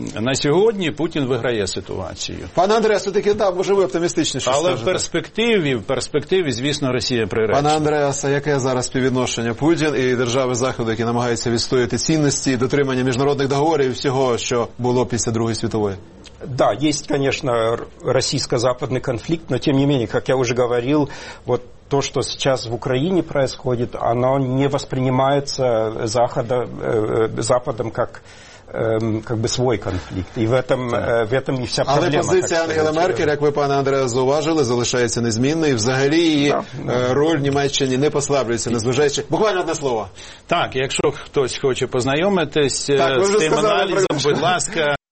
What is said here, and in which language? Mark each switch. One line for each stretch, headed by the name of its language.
Ukrainian: На сьогодні Путін виграє ситуацію. Пане Андреа, все-таки так, може ви оптимістичніше скажете. Але в перспективі, звісно, Росія приречена. Пане Андреаса, яке зараз співвідношення Путін і держави Заходу, які намагаються відстояти цінності, дотримання міжнародних договорів і всього, що було після Другої світової?
Russian: Да, есть, конечно, российско-западный конфликт, но тем не менее, как я уже говорил, вот то, что сейчас в Украине происходит, оно не воспринимается Западом как бы свой конфликт. И в этом и вся проблема.
Ukrainian: Але позиція Ангели Меркель, як ви, пане Андреа, зауважили, залишається незмінною. Взагалі її роль Німеччини не послаблюється, незважаючи. Буквально одне слово. Так, якщо хтось хоче познайомитись з тим аналізом, будь ласка,